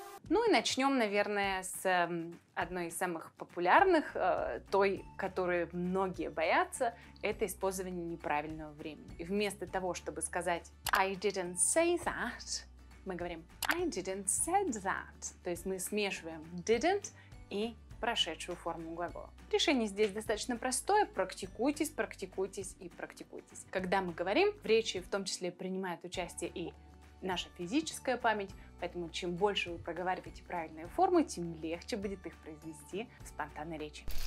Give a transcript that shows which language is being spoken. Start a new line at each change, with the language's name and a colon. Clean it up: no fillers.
Russian: Ну и начнем, наверное, с одной из самых популярных, той, которую многие боятся, это использование неправильного времени. И вместо того, чтобы сказать
English: I didn't say that,
Russian: мы говорим
English: I didn't said that.
Russian: То есть мы смешиваем didn't и прошедшую форму глагола. Решение здесь достаточно простое. Практикуйтесь, практикуйтесь и практикуйтесь. Когда мы говорим, в речи в том числе принимает участие и наша физическая память, поэтому чем больше вы проговариваете правильные формы, тем легче будет их произнести в спонтанной речи.